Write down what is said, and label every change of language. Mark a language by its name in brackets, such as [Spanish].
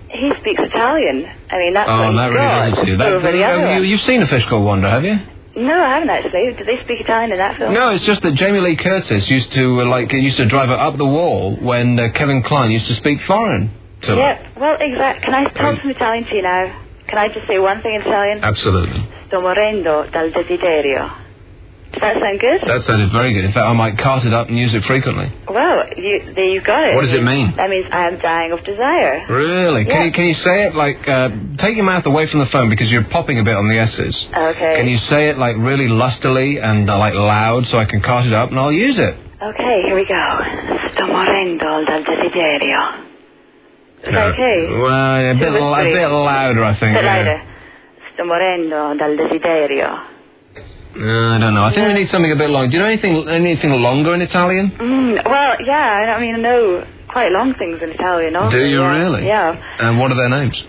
[English] He speaks Italian. I mean, that's You've seen A Fish Called Wanda, have you? No, I haven't actually. Did they speak Italian in that film? No, it's just that Jamie Lee Curtis used to, drive her up the wall when Kevin Klein used to speak foreign to her. Yep, well, exactly. Can I talk some Italian to you now? Can I just say one thing in Italian? Absolutely. [Italian] Sto morendo dal desiderio. [English] Does that sound good? That sounded very good. In fact, I might cart it up and use it frequently. Well, there you go. What does it mean? That means I am dying of desire. Really? Yeah. Can you say it like, take your mouth away from the phone because you're popping a bit on the S's. Okay. Can you say it like really lustily and like loud so I can cart it up and I'll use it? Okay, here we go. [Italian] Sto morendo dal desiderio. [English] Okay. Well, a bit louder, I think. A bit louder. [Italian] Sto morendo dal desiderio. [English] I don't know. I think we need something a bit longer. Do you know anything longer in Italian? I mean, I know quite long things in Italian. Also. Do you really? Yeah. And what are their names?